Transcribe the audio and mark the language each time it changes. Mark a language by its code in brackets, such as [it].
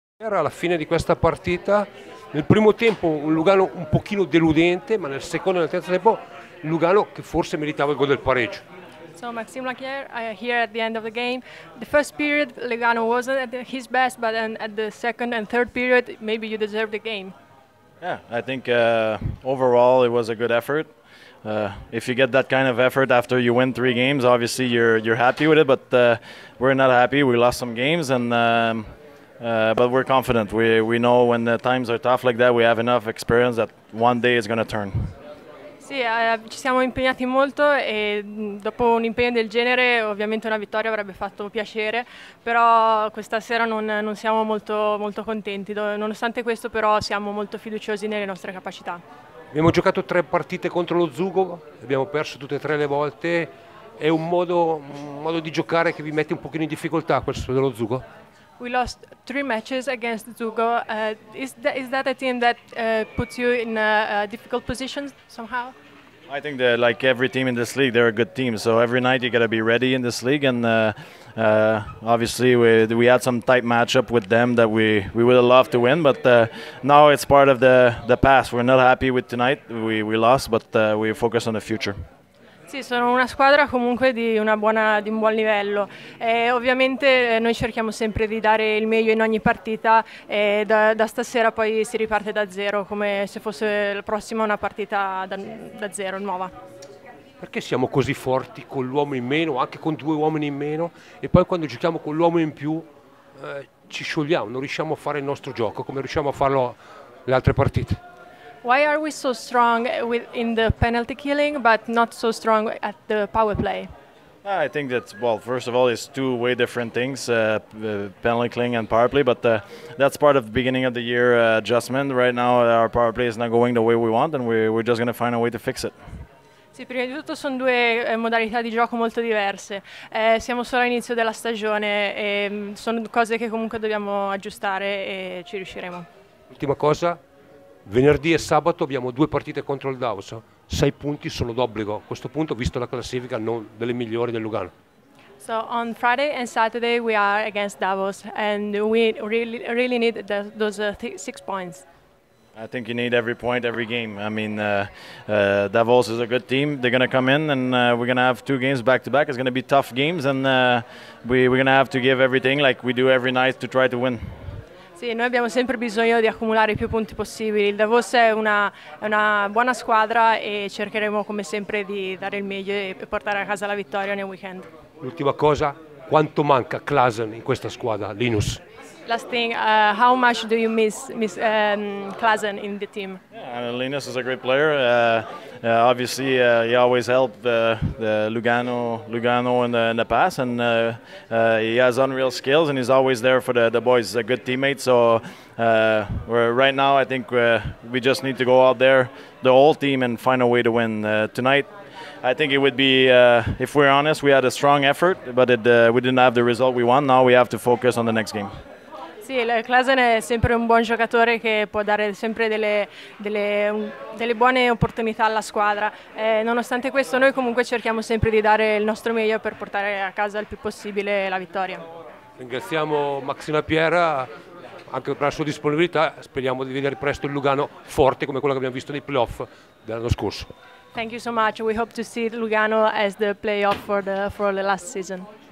[it] Era alla fine di questa partita, nel primo tempo un Lugano un pochino deludente, ma nel secondo e nel terzo tempo Lugano che forse meritava il gol del pareggio. [en] So Maxime Lacquière, here at the end of the game. The first period Lugano wasn't at his best, but then at the second and third period maybe you deserve the game. Yeah, I think overall it was a good effort. If you get that kind of effort after you win three games, obviously you're happy with it, but we're not happy. We lost some games and but we're confident. We know when the times are tough like that, we have enough experience that one day is going to turn. [it] Sì, ci siamo impegnati molto e dopo un impegno del genere ovviamente una vittoria avrebbe fatto piacere, però questa sera non siamo molto, molto contenti. Nonostante questo però siamo molto fiduciosi nelle nostre capacità. Abbiamo giocato tre partite contro lo Zugo, abbiamo perso tutte e tre le volte. È un modo di giocare che vi mette un pochino in difficoltà questo dello Zugo? [en] We lost three matches against Zugo. Is that a team that puts you in a difficult position somehow? I think that like every team in this league, they're a good team. So every night you got to be ready in this league. And obviously we had some tight matchup with them that we would have loved to win. But now it's part of the past. We're not happy with tonight. We lost, but we focus on the future. [it] Sì, sono una squadra comunque di un buon livello. Ovviamente noi cerchiamo sempre di dare il meglio in ogni partita e da stasera poi si riparte da zero, come se fosse la prossima una partita da zero, nuova. Perché siamo così forti con l'uomo in meno, anche con due uomini in meno, e poi quando giochiamo con l'uomo in più ci sciogliamo, non riusciamo a fare il nostro gioco come riusciamo a farlo le altre partite? [en] Why are we so strong in the penalty killing, but not so strong at the power play? I think that, well, first of all, it's two way different things, penalty killing and power play, but that's part of the beginning of the year adjustment. Right now our power play is not going the way we want, and we're just going to find a way to fix it. [it] Sì, prima di tutto sono due modalità di gioco molto diverse. Siamo solo all'inizio della stagione e sono cose che comunque dobbiamo aggiustare e ci riusciremo. Ultima cosa. Venerdì e sabato abbiamo due partite contro il Davos, 6 punti sono d'obbligo, a questo punto visto la classifica non delle migliori del Lugano. [en] So on Friday and Saturday we are against Davos and we really, really need those 6 points. I think you need every point every game. I mean Davos is a good team, they're going to come in and we're going to have two games back to back, it's going to be tough games and we're going to have to give everything like we do every night to try to win. [it] Sì, noi abbiamo sempre bisogno di accumulare i più punti possibili. Il Davos è una buona squadra e cercheremo come sempre di dare il meglio e portare a casa la vittoria nel weekend. L'ultima cosa, quanto manca Klaassen in questa squadra, Linus? [en] Last thing, how much do you miss Klaassen in the team? Yeah, Linus is a great player. Obviously, he always helped the Lugano in the past, and he has unreal skills, and he's always there for the boys. He's a good teammate. So, right now, I think we just need to go out there, the whole team, and find a way to win tonight. I think it would be, if we're honest, we had a strong effort, but we didn't have the result we want. Now we have to focus on the next game. [it] Sì, Klaassen è sempre un buon giocatore che può dare sempre delle buone opportunità alla squadra. Nonostante questo, noi comunque cerchiamo sempre di dare il nostro meglio per portare a casa il più possibile la vittoria. Ringraziamo Maxime Lacquière anche per la sua disponibilità. Speriamo di vedere presto il Lugano forte come quello che abbiamo visto nei playoff dell'anno scorso. [en] Thank you so much. We hope to see Lugano as the playoff for the last season.